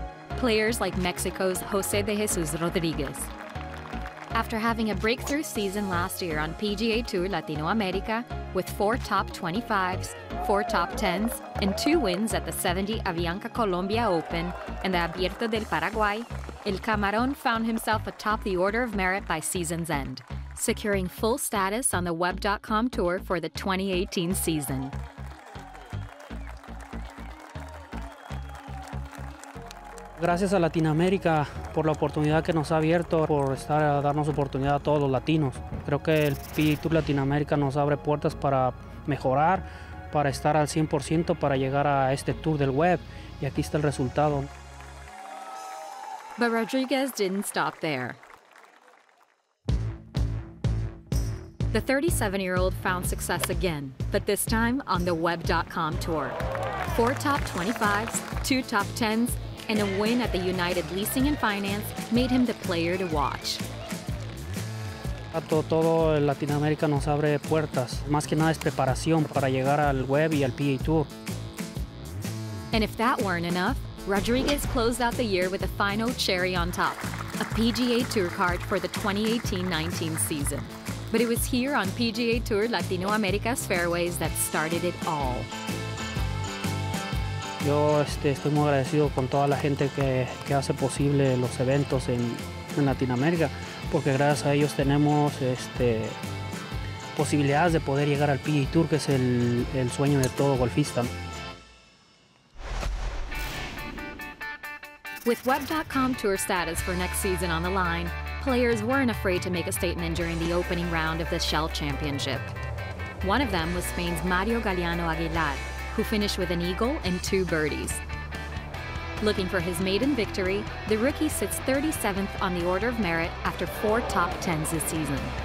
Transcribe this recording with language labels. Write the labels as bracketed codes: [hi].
[en] Players like Mexico's José de Jesús Rodríguez. After having a breakthrough season last year on PGA Tour Latinoamérica with four top 25s, four top 10s, and two wins at the 70 Avianca Colombia Open and the Abierto del Paraguay, El Camarón found himself atop the order of merit by season's end, securing full status on the Web.com Tour for the 2018 season. [es] Gracias a Latinoamérica por la oportunidad que nos ha abierto, por estar a darnos oportunidad a todos los latinos. Creo que el PGA Tour Latinoamérica nos abre puertas para mejorar, para estar al 100% para llegar a este tour del web. Y aquí está el resultado. [en] But Rodriguez didn't stop there. The 37-year-old found success again, but this time on the Web.com Tour. Four top 25s, two top 10s, and a win at the United Leasing and Finance made him the player to watch. [es] Todo Latinoamérica nos abre puertas. Más que nada es preparación para llegar al web y al PGA Tour. [en] And if that weren't enough, Rodriguez closed out the year with a final cherry on top, a PGA Tour card for the 2018-19 season. But it was here on PGA Tour Latinoamérica's fairways that started it all. [es] Yo estoy muy agradecido con toda la gente que hace posible los eventos en Latinoamérica, porque gracias a ellos tenemos posibilidades de poder llegar al PGA Tour, que es el sueño de todo golfista. [en] With Web.com Tour status for next season on the line, players weren't afraid to make a statement during the opening round of the Shell Championship. One of them was Spain's Mario Galeano Aguilar, who finished with an eagle and two birdies. Looking for his maiden victory, the rookie sits 37th on the order of merit after four top tens this season.